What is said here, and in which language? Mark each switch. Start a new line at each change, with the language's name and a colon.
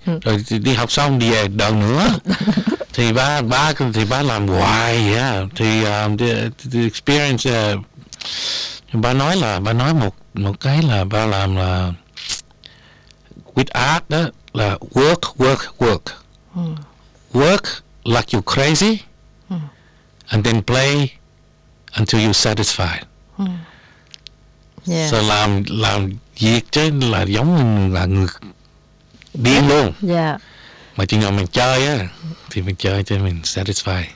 Vietnamese: Rồi đi học xong đi về đờn nữa. Thì ba làm hoài vậy. Thì
English: the experience
Vietnamese: ba nói một cái là ba làm là
English: with art
Vietnamese: đó, là work.
English: Work like you're crazy, and then play until you're satisfied.
Vietnamese: So làm việc chứ là giống là người điên luôn. Mà chừng nào mình chơi á, thì mình chơi cho mình satisfied.